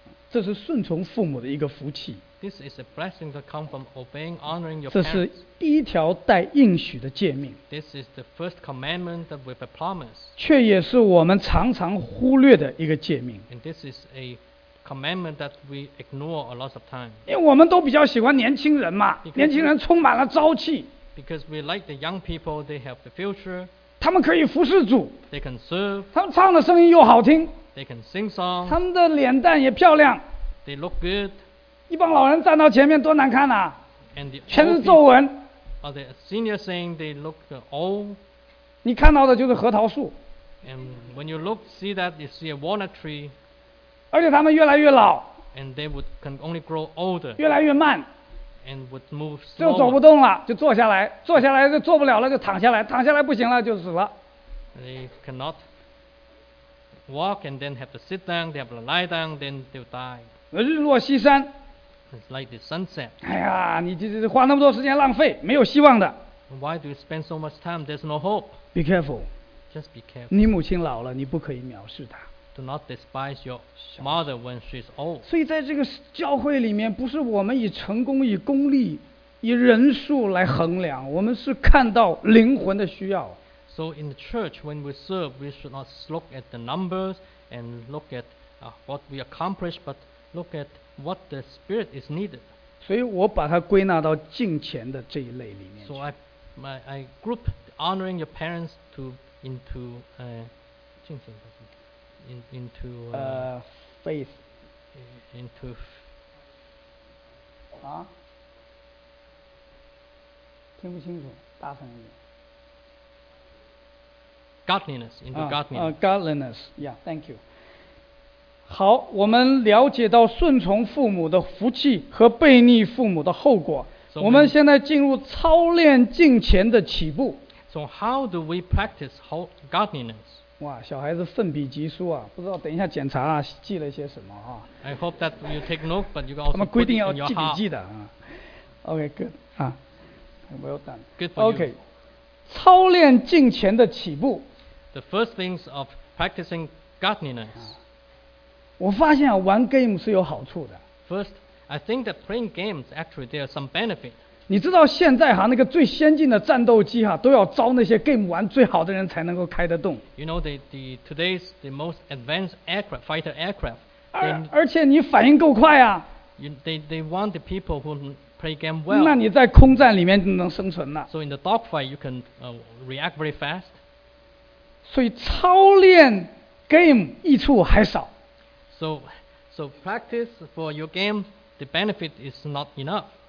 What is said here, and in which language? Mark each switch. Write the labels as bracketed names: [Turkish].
[Chinese] 这是顺从父母的一个福气。 [English] This is a blessing that comes from obeying, honoring your parents. [Chinese] 这是第一条带应许的诫命。 [English] This is the first commandment with a promise. [Chinese] 却也是我们常常忽略的一个诫命。 [English] And this is a commandment that we ignore a lot of time. [Chinese] 因为我们都比较喜欢年轻人嘛，年轻人充满了朝气。 [English] Because we like the young people, they have the future. [Chinese] 他们可以服侍主。 [English] They can serve. [Chinese] 他们唱的声音又好听。 [English] They can sing song. [Chinese] 他们的脸蛋也漂亮。 [English] They look good. [Chinese] 一帮老人站到前面多难看啊，全是皱纹。 [English] Are the seniors saying they look old? [Chinese] 你看到的就是核桃树。 [English] And when you look, see that you see a walnut tree. [Chinese] 而且他们越来越老。 [English] And they would can only grow older. [Chinese] 越来越慢。 [English] And would move slower. [Chinese] 就走不动了，就坐下来，坐下来就坐不了了，就躺下来，躺下来不行了就死了。 [English] They cannot walk and then have to sit down. They have to lie down, then they'll die. [Chinese] 日落西山。 [English] It's like the sunset. [Chinese] 哎呀，你这花那么多时间浪费，没有希望的。 [English] Why do you spend so much time? There's no hope. Be careful. Just be careful. [Chinese] 你母亲老了，你不可以藐视她。 [English] Do not despise your mother when she's old. [Chinese] 所以在这个教会里面，不是我们以成功、以功利、以人数来衡量，我们是看到灵魂的需要。 [English] So in the church, when we serve, we should not look at the numbers and look at what we accomplish, but look at what the spirit is needed. [Chinese] 所以我把它归纳到敬虔的这一类里面。 [English] So I group honoring your parents to into [Chinese] 敬虔 [English] into faith into [Chinese] 啊，听不清楚，大声一点。 [English] Godliness into godliness. Godliness. Yeah. Thank you. [Chinese] 好，我们了解到顺从父母的福气和背逆父母的后果。 [English] So、 [Chinese] 我们现在进入操练敬虔的起步。 [English] So how do we practice godliness? [Chinese] 哇，小孩子奋笔疾书啊，不知道等一下检查啊，记了些什么啊 [English] ？I hope that you take note, but you can also [Chinese] 他们规定要记笔记的啊。 [English] Okay, good. Well done. [Chinese] Okay, 操练敬虔的起步。 [English] The first things of practicing godliness. [Chinese] 我发现、玩 game 是有好处的。 [English] First, I think that playing games actually there are some benefit. [Chinese] 你知道现在哈那个最先进的战斗机哈都要招那些 game 玩最好的人才能够开得动。 [English] You know the today's the most advanced aircraft fighter aircraft. [Chinese] 而且你反应够快啊。 [English] They want the people who play game well. [Chinese] 那你在空战里面就能生存了。 [English] So in the dogfight you can react very fast. [Chinese] 所以操练 game 益处还少。 [English] So practice for your game, the benefit is not enough.